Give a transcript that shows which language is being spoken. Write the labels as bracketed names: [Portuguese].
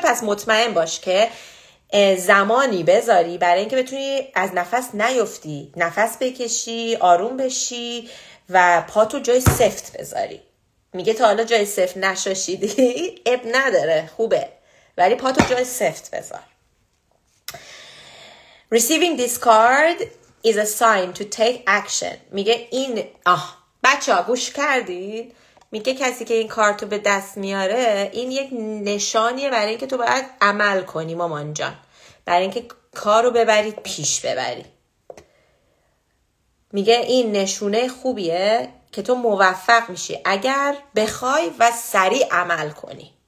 [Persian] پس مطمئن باش که زمانی بذاری برای اینکه بتونی از نفس نیفتی، نفس بکشی، آروم بشی و پاتو جای سفت بذاری. میگه تا حالا جای سفت نشاشیدی؟ اب نداره، خوبه، ولی پاتو جای سفت بذار. [English] Receiving this card is a sign to take action. [Persian] میگه این بچه ها گوش کردین؟ میگه کسی که این کارتو به دست میاره، این یک نشانیه برای اینکه تو باید عمل کنی مامان جان، برای اینکه کارو ببری پیش ببری. میگه این نشونه خوبیه که تو موفق میشی اگر بخوای و سریع عمل کنی.